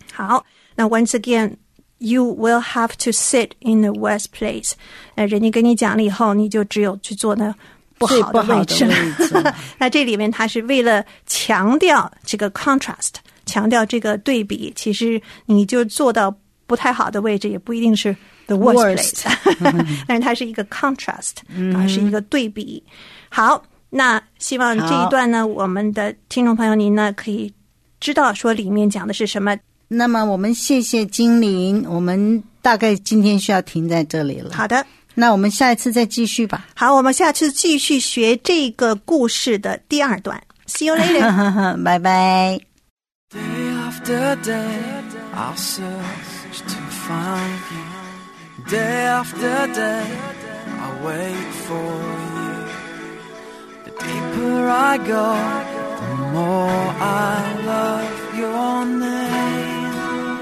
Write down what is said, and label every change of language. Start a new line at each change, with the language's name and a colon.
English: 好，Now, once again, you will have to sit in the worst place.
Chinese: 人家跟你讲了以后，你就只有去坐那不好的位置了。最不好的位置了。那这里面它是为了强调这个 contrast, 强调这个对比。其实你就坐到不太好的位置，也不一定是
English: the worst place.
Chinese: 但是它是一个 contrast,、 mm-hmm. 是一个对比。好，那希望这一段呢，我们的听众朋友您呢，可以知道说里面讲的是什么。那么我们谢谢精灵，我们大概今天需要停在这里了。好的，那我们下一次再继续吧。好，我们下次继续学这个故事的第二段。
English: See you later.
Chinese: 拜拜。
English: Day after day I'll search to find you. Day after day I'll wait for you. The deeper I go The more I love your name.